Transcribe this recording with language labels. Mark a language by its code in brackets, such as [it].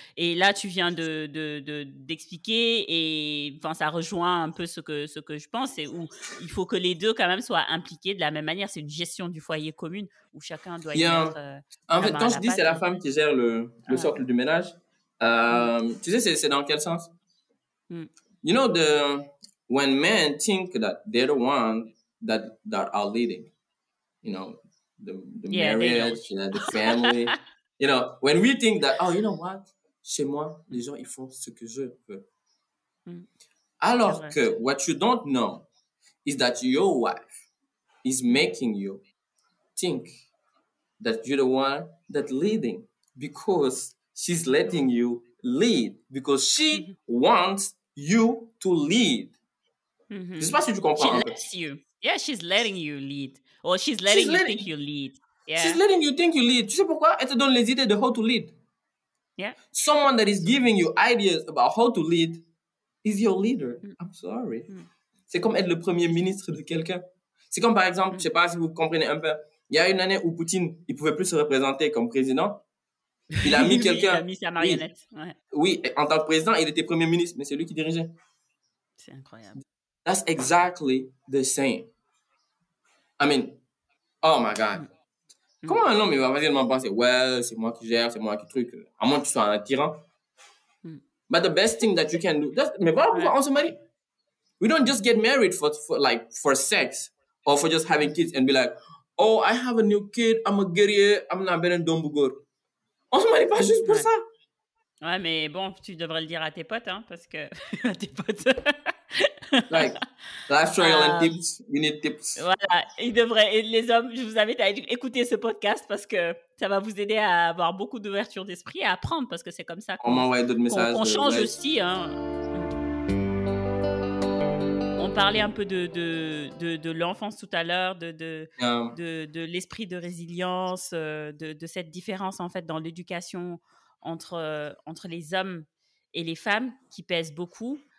[fr] Et là, tu viens d'expliquer et ça rejoint un peu ce que je pense. Et où il faut que les deux quand même soient impliqués de la même manière. C'est une gestion du foyer commune où chacun doit y être. Quand je dis c'est la femme qui gère le socle du ménage, tu sais, c'est dans quel sens? [en] You know, when men think that they're the one that are leading, you know, the marriage, you know, the family, you know, when we think that, oh, you know what, [fr] chez moi, les gens, ils font ce que je veux. Alors que [en] what you don't know is that your wife is making you think that you're the one that leading because she's letting you lead because she wants you to lead. [fr] Je sais pas si tu comprends. [en] She lets you. Yeah, she's letting you lead. Or she's letting she's you letting, think you lead. Yeah. She's letting you think you lead. [fr] Tu sais pourquoi? Elle te donne les idées de [en] how to lead. Yeah. Someone that is giving you ideas about how to lead is your leader. I'm sorry. [fr] C'est comme être le premier ministre de quelqu'un. C'est comme par exemple, je sais pas si vous comprenez un peu, il y a une année où Poutine, il pouvait plus se représenter comme président. Il a mis quelqu'un. Il a mis sa marionnette. Oui, en tant que président, il était premier ministre, mais c'est lui qui dirigeait. C'est incroyable. [en] That's exactly the same. I mean, oh my God. [fr] Comment un homme va facilement penser, well, c'est moi qui gère, c'est moi qui truc, à moins que tu sois un tyran. [en] But the best thing that you can do, [fr] mais voilà pourquoi on se marie. [en] We don't just get married for sex or for just having kids and be like, oh, I have a new kid, I'm a guerrier, I'm not better than Dombugor. [fr] On se marie pas juste pour ça. Ouais, mais bon, tu devrais le dire à tes potes, hein, parce que à tes potes. [en] Like, life trial and tips, you need tips. [fr] Voilà, il devrait, et les hommes, je vous invite à écouter ce podcast parce que ça va vous aider à avoir beaucoup d'ouverture d'esprit et à apprendre parce que c'est comme ça qu'on m'envoie d'autres messages. On change aussi. Hein. On parlait un peu de l'enfance tout à l'heure, de l'esprit de résilience, de cette différence en fait dans l'éducation entre les hommes et les femmes qui pèse beaucoup.